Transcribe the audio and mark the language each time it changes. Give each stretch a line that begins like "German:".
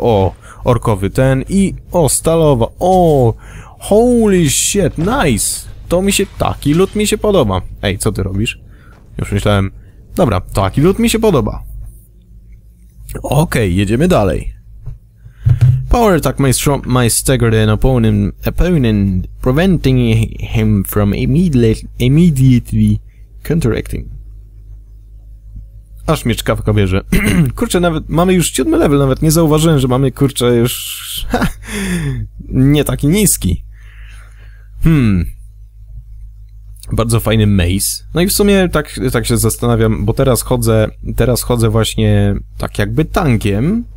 Polish: O, orkowy ten i... O, stalowa, o...
English: Holy shit, nice!
Polish: To mi się... Taki loot mi się podoba. Ej, co ty robisz? Już myślałem... Dobra, taki loot mi się podoba. Okej, okay, jedziemy dalej.
English: Power attack my staggered an opponent, preventing him from immediately counteracting.
Polish: Aż mnie czkawka bierze. Kurczę, nawet mamy już 7 level, nawet nie zauważyłem, że mamy, kurczę, już... nie taki niski. Hmm. Bardzo fajny maze. No i w sumie tak się zastanawiam, bo teraz chodzę właśnie tak jakby tankiem.